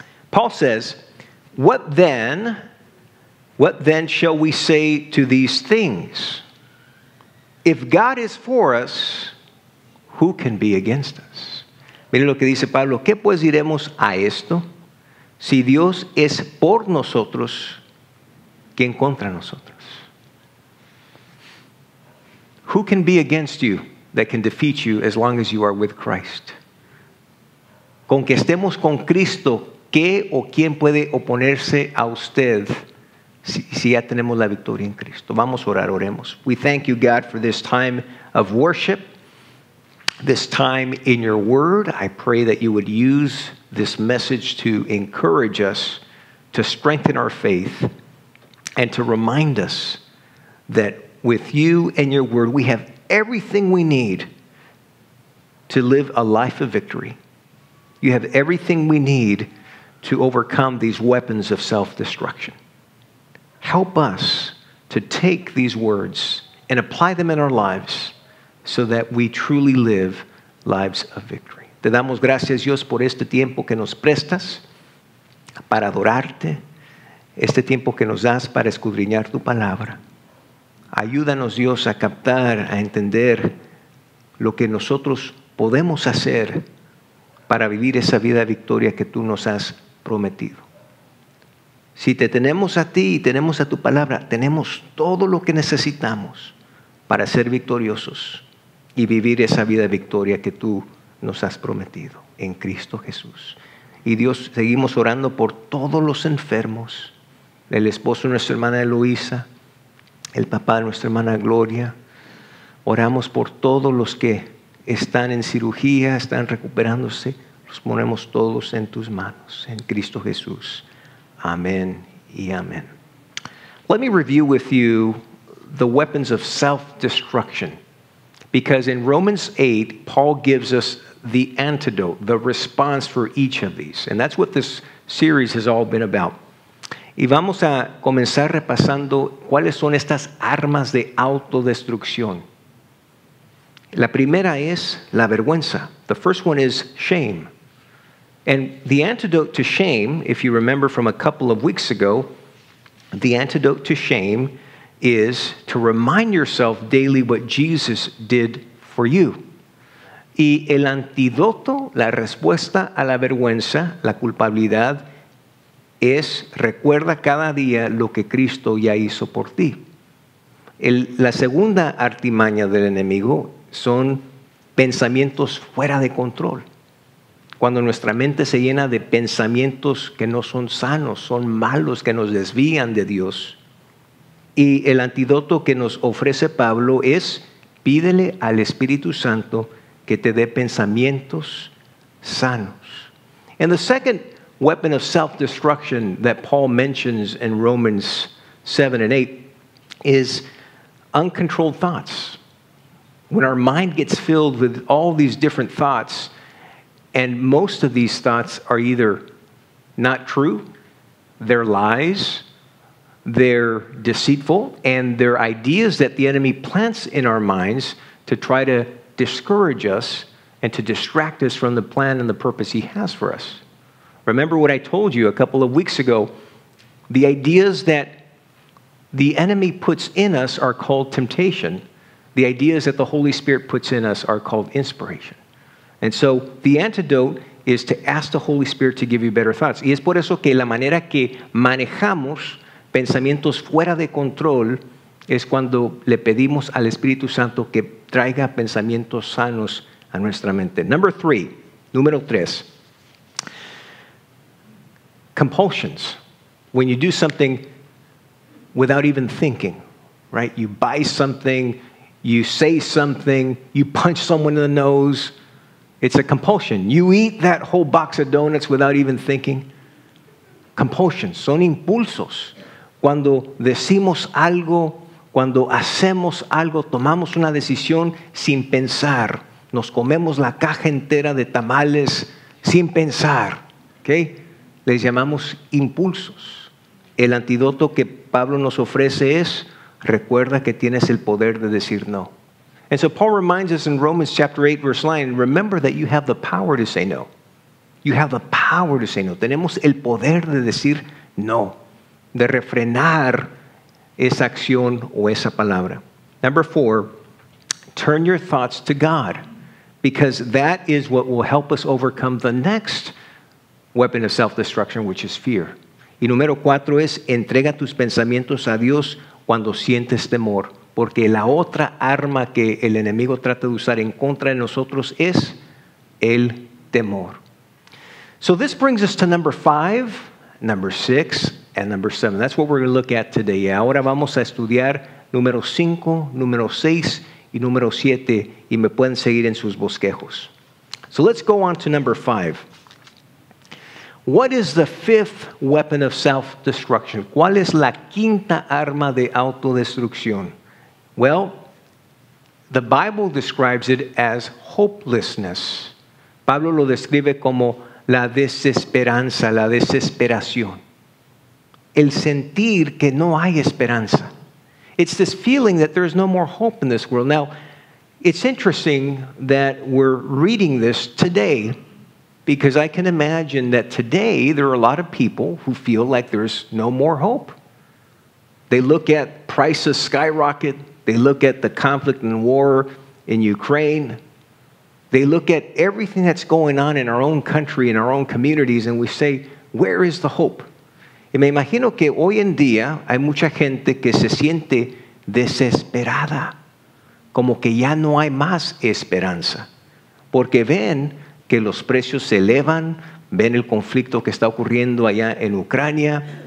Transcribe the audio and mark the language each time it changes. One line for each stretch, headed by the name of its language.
English: Paul says, What then shall we say to these things? If God is for us, who can be against us?
Spanish: Miren lo que dice Pablo. ¿Qué pues diremos a esto? Si Dios es por nosotros, ¿quién contra nosotros?
English: Who can be against you that can defeat you as long as you are with Christ?
Spanish: Con que estemos con Cristo, ¿qué o quién puede oponerse a usted si ya tenemos la victoria en Cristo? Vamos a orar, oremos.
English: We thank you, God, for this time of worship. This time in your word, I pray that you would use this message to encourage us, to strengthen our faith, and to remind us that with you and your word, we have everything we need to live a life of victory. You have everything we need to overcome these weapons of self-destruction. Help us to take these words and apply them in our lives, so that we truly live lives of victory.
Spanish: Te damos gracias, Dios, por este tiempo que nos prestas para adorarte, este tiempo que nos das para escudriñar tu palabra. Ayúdanos, Dios, a captar, a entender lo que nosotros podemos hacer para vivir esa vida de victoria que tú nos has prometido. Si te tenemos a ti y tenemos a tu palabra, tenemos todo lo que necesitamos para ser victoriosos y vivir esa vida de victoria que tú nos has prometido en Cristo Jesús. Y Dios, seguimos orando por todos los enfermos, el esposo de nuestra hermana Eloisa, el papá de nuestra hermana Gloria. Oramos por todos los que están en cirugía, están recuperándose. Los ponemos todos en tus manos, en Cristo Jesús. Amén y amén.
English: Let me review with you the weapons of self-destruction. Because in Romans 8, Paul gives us the antidote, the response for each of these. And that's what this series has all been about.
Spanish: Y vamos a comenzar repasando cuáles son estas armas de autodestrucción. La primera es la vergüenza.
English: The first one is shame. And the antidote to shame, if you remember from a couple of weeks ago, the antidote to shame is to remind yourself daily what Jesus did for you.
Spanish: Y el antídoto, la respuesta a la vergüenza, la culpabilidad, es recuerda cada día lo que Cristo ya hizo por ti. La segunda artimaña del enemigo son pensamientos fuera de control. Cuando nuestra mente se llena de pensamientos que no son sanos, son malos, que nos desvían de Dios. Y el antídoto que nos ofrece Pablo es pídele al Espíritu Santo que te dé pensamientos sanos.
English: And the second weapon of self-destruction that Paul mentions in Romans 7 and 8 is uncontrolled thoughts. When our mind gets filled with all these different thoughts, and most of these thoughts are either not true, they're lies, they're deceitful, and they're ideas that the enemy plants in our minds to try to discourage us and to distract us from the plan and the purpose he has for us. Remember what I told you a couple of weeks ago, the ideas that the enemy puts in us are called temptation. The ideas that the Holy Spirit puts in us are called inspiration. And so the antidote is to ask the Holy Spirit to give you better thoughts.
Spanish: Y es por eso que la manera que manejamos pensamientos fuera de control es cuando le pedimos al Espíritu Santo que traiga pensamientos sanos a nuestra mente.
English: Number three,
Spanish: número tres,
English: compulsions. When you do something without even thinking, right? You buy something, you say something, you punch someone in the nose. It's a compulsion. You eat that whole box of donuts without even thinking.
Spanish: Compulsions, son impulsos. Cuando decimos algo, cuando hacemos algo, tomamos una decisión sin pensar. Nos comemos la caja entera de tamales sin pensar. ¿Okay? Les llamamos impulsos. El antídoto que Pablo nos ofrece es, recuerda que tienes el poder de decir no.
English: And so Paul reminds us in Romans chapter 8, verse 9, remember that you have the power to say no. You have the power to say no.
Spanish: Tenemos el poder de decir no. De refrenar esa acción o esa palabra.
English: Number four, turn your thoughts to God, because that is what will help us overcome the next weapon of self-destruction, which is fear.
Spanish: Y número cuatro es, entrega tus pensamientos a Dios cuando sientes temor, porque la otra arma que el enemigo trata de usar en contra de nosotros es el temor.
English: So this brings us to number five, number six, and number seven. That's what we're going to look at today.
Spanish: Y ahora vamos a estudiar número 5, número 6, y número 7. Y me pueden seguir en sus bosquejos.
English: So let's go on to number 5. What is the fifth weapon of self-destruction?
Spanish: ¿Cuál es la quinta arma de autodestrucción?
English: Well, the Bible describes it as hopelessness.
Spanish: Pablo lo describe como la desesperanza, la desesperación. El sentir que no hay esperanza.
English: It's this feeling that there is no more hope in this world. Now, it's interesting that we're reading this today because I can imagine that today there are a lot of people who feel like there's no more hope. They look at prices skyrocket. They look at the conflict and war in Ukraine. They look at everything that's going on in our own country, in our own communities, and we say, where is the hope?
Spanish: Y me imagino que hoy en día hay mucha gente que se siente desesperada, como que ya no hay más esperanza, porque ven que los precios se elevan, ven el conflicto que está ocurriendo allá en Ucrania,